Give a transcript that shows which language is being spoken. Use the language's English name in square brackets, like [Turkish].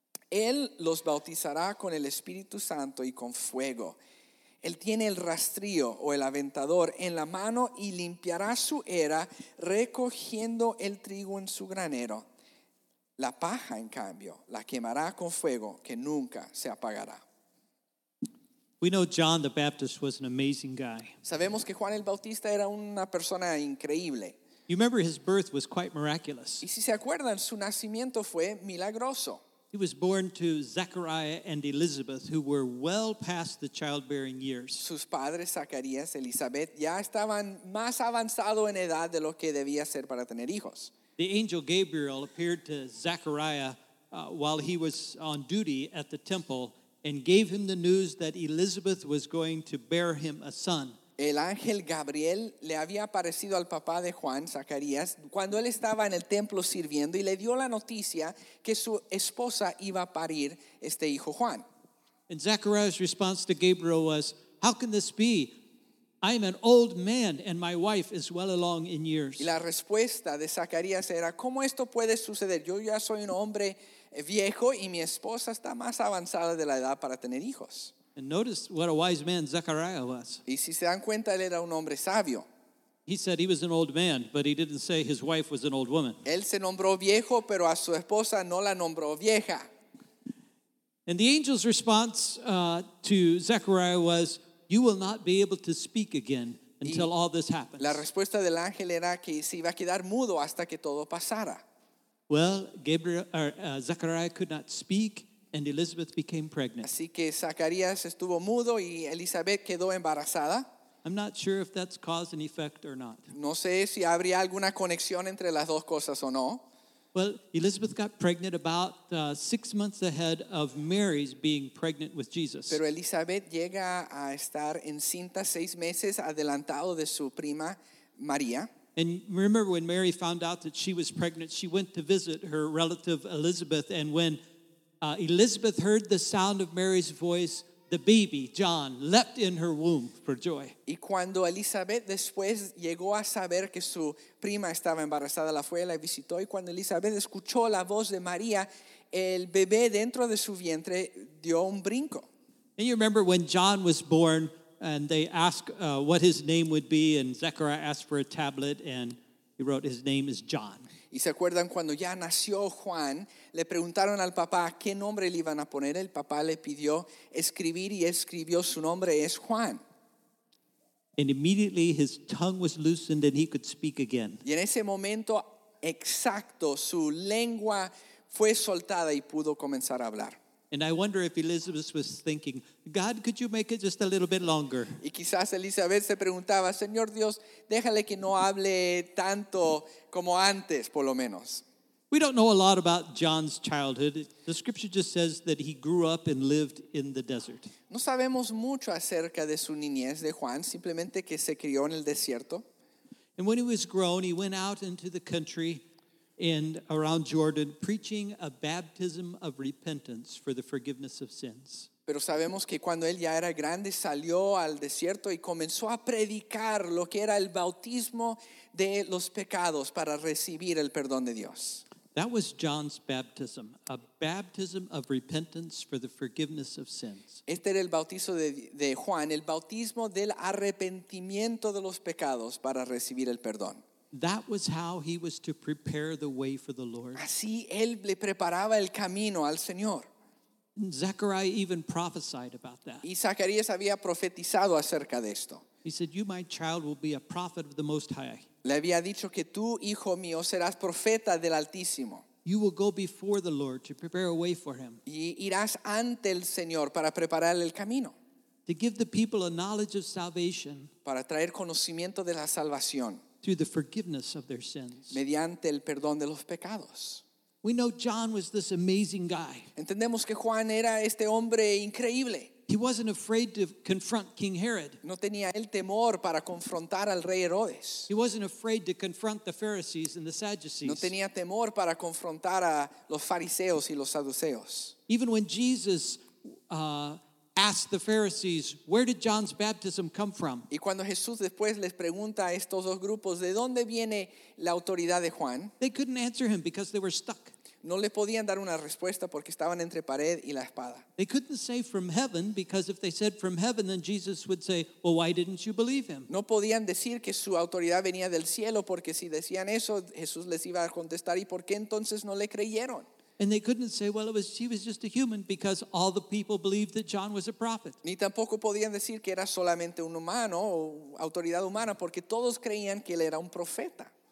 [Spanish] Él los bautizará con el Espíritu Santo y con fuego. Él tiene el rastrillo o el aventador en la mano y limpiará su era recogiendo el trigo en su granero. La paja, en cambio, la quemará con fuego que nunca se apagará. [English] We know John the Baptist was an amazing guy. [Spanish] Sabemos que Juan el Bautista era una persona increíble. [English] You remember his birth was quite miraculous. [Spanish] Y si se acuerdan, su nacimiento fue milagroso. [English] He was born to Zechariah and Elizabeth, who were well past the childbearing years. [Spanish] Sus padres, Zacarías y Elizabeth, ya estaban más avanzado en edad de lo que debía ser para tener hijos. [English] The angel Gabriel appeared to Zechariah while he was on duty at the temple and gave him the news that Elizabeth was going to bear him a son. [Spanish] El ángel Gabriel le había aparecido al papá de Juan, Zacarías, cuando él estaba en el templo sirviendo, y le dio la noticia que su esposa iba a parir este hijo Juan. [English] And Zechariah's response to Gabriel was, "How can this be? I am an old man and my wife is well along in years." [Spanish] Y la respuesta de Zacarías era, "¿Cómo esto puede suceder? Yo ya soy un hombre viejo y mi esposa está más avanzada de la edad para tener hijos." [English] And notice what a wise man Zechariah was. [Spanish] Y si se dan cuenta, él era un hombre sabio. [English] He said he was an old man, but he didn't say his wife was an old woman. [Spanish] Él se nombró viejo, pero a su esposa no la nombró vieja. [English] And the angel's response to Zechariah was, "You will not be able to speak again until all this happens." [Spanish] La respuesta del ángel era que se iba a quedar mudo hasta que todo pasara. [English] Well, Zechariah could not speak. And Elizabeth became pregnant. [Spanish] Así que Zacarías estuvo mudo y Elizabeth quedó embarazada. [English] I'm not sure if that's cause and effect or not. [Spanish] No sé si habría alguna conexión entre las dos cosas o no. [English] Well, Elizabeth got pregnant about 6 months ahead of Mary's being pregnant with Jesus. [Spanish] Pero Elizabeth llega a estar encinta 6 meses adelantado de su prima María. [English] And remember when Mary found out that she was pregnant, she went to visit her relative Elizabeth. And when Elizabeth heard the sound of Mary's voice, the baby, John, leapt in her womb for joy. [Spanish] Y cuando Elizabeth después llegó a saber que su prima estaba embarazada, la fue y la visitó. Y cuando Elizabeth escuchó la voz de María, el bebé dentro de su vientre dio un brinco. [English] And you remember when John was born, and they asked what his name would be, and Zechariah asked for a tablet, and he wrote, his name is John. [Spanish] Y se acuerdan cuando ya nació Juan, le preguntaron al papá qué nombre le iban a poner. El papá le pidió escribir y escribió su nombre es Juan. [English] And immediately his tongue was loosened and he could speak again. [Spanish] Y en ese momento exacto su lengua fue soltada y pudo comenzar a hablar. [English] And I wonder if Elizabeth was thinking, God, could you make it just a little bit longer? [Spanish] Y quizás Elizabeth se preguntaba, Señor Dios, déjale que no hable tanto como antes, por lo menos. [English] We don't know a lot about John's childhood. The scripture just says that he grew up and lived in the desert. [Spanish] No sabemos mucho acerca de su niñez de Juan, simplemente que se crió en el desierto. [English] And when he was grown, he went out into the country and around Jordan, preaching a baptism of repentance for the forgiveness of sins. [Spanish] Pero sabemos que cuando él ya era grande, salió al desierto y comenzó a predicar lo que era el bautismo de los pecados para recibir el perdón de Dios. [English] That was John's baptism, a baptism of repentance for the forgiveness of sins. [Spanish] Este era el bautizo de Juan, el bautismo del arrepentimiento de los pecados para recibir el perdón. [English] That was how he was to prepare the way for the Lord. [Spanish] Así él le preparaba el camino al Señor. [English] Zechariah even prophesied about that. [Spanish] Y Zacarías había profetizado acerca de esto. [English] He said, "You, my child, will be a prophet of the Most High." [Spanish] Le había dicho que tú, hijo mío, serás profeta del Altísimo. [English] You will go before the Lord to prepare a way for him. [Spanish] Y irás ante el Señor para preparar el camino. [English] To give the people a knowledge of salvation. [Spanish] Para traer conocimiento de la salvación. [English] Through the forgiveness of their sins. [Spanish] Mediante el perdón de los pecados. [English] We know John was this amazing guy. [Spanish] Entendemos que Juan era este hombre increíble. [English] He wasn't afraid to confront King Herod. [Spanish] No tenía el temor para confrontar al rey Herodes. [English] He wasn't afraid to confront the Pharisees and the Sadducees. [Spanish] No tenía temor para confrontar a los fariseos y los saduceos. [English] Even when Jesus asked the Pharisees, "Where did John's baptism come from?" [Spanish] Y cuando Jesús después les pregunta a estos dos grupos, ¿de dónde viene la autoridad de Juan? [English] They couldn't answer him because they were stuck. [Spanish] No le podían dar una respuesta porque estaban entre pared y la espada. [English] They couldn't say from heaven because if they said from heaven, then Jesus would say, "Well, why didn't you believe him?" [Spanish] No podían decir que su autoridad venía del cielo porque si decían eso, Jesús les iba a contestar, ¿y por qué entonces no le creyeron? [English] And they couldn't say, "Well, he was just a human," because all the people believed that John was a prophet. [Spanish] Ni tampoco podían decir que era solamente un humano o autoridad humana, porque todos creían que él era un profeta.